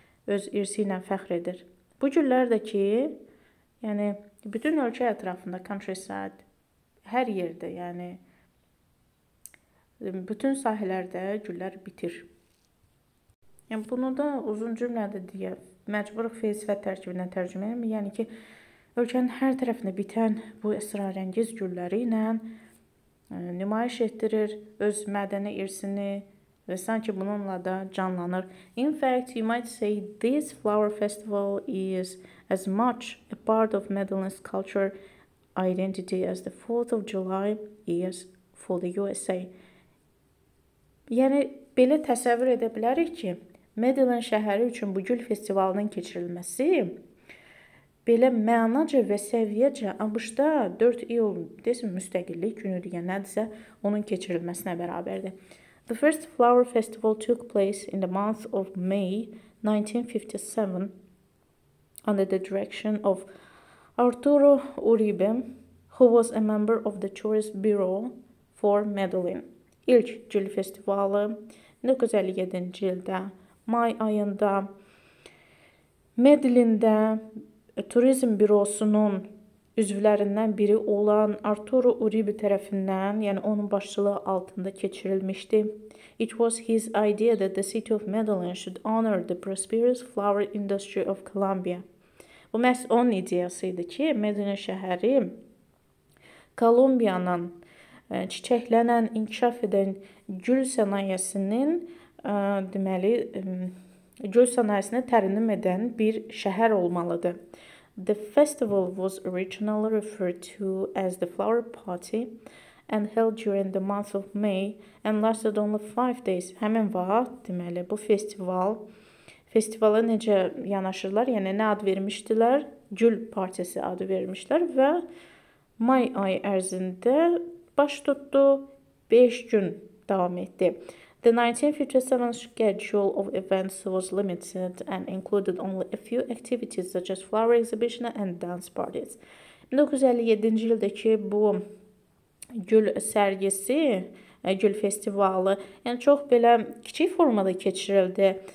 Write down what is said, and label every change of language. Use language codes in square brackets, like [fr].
[az] Öz irsi ilə fəxr edir. Bu güllərdəki, yəni bütün ölkə ətrafında, countryside, hər yerdə, yəni bütün sahələrdə güllər bitir. Yəni bunu da uzun cümlədə deyə məcbur fəlsəfə tərkibindən tərcümə edəm. Yəni ki, ölkənin hər tərəfində bitən bu əsrarəngiz gülləri ilə nümayiş etdirir öz mədəni irsini. Və sanki bununla da canlanır. [en] In fact, you might say this flower festival is as much a part of Medellin's culture identity as the 4th of July is for the USA. [az] Yəni, belə təsəvvür edə bilərik ki, Medellin şəhəri üçün bu gül festivalının keçirilməsi belə mənaca və səviyyəcə ABŞ-da 4 iyul desin, müstəqillik günüdür, yəni nədirsə onun keçirilməsinə bərabərdir. [en] The first flower festival took place in the month of May 1957 under the direction of Arturo Uribe, who was a member of the Tourist Bureau for Medellin. [az] İlk gül festivalı 1957-ci ildə, may ayında Medellin'də turizm bürosunun üzvlərindən biri olan Arturo Uribe tərəfindən, yəni onun başçılığı altında keçirilmişdi. [en] It was his idea that the city of Medellin should honor the prosperous flower industry of Colombia. [az] Bu məhz onun ideyasıydı ki, Medellin şəhəri Kolumbiyanın çiçəklənən, inkişaf edən gül sənayesinin deməli, gül sənayesini tərənnüm edən bir şəhər olmalıdır. [en] The festival was originally referred to as the Flower Party and held during the month of May and lasted only 5 days. [az] Həmin vaxt, deməli, bu festival, festivala necə yanaşırlar, yəni nə ad vermişdilər? Gül Partisi adı vermişlər və may ayı ərzində baş tutdu, 5 gün davam etdi. [en] The 1957 schedule of events was limited and included only a few activities such as flower exhibition and dance parties. [az] 1957-ci ildəki bu gül sərgisi, gül festivalı, yəni çox belə kiçik formada keçirildi.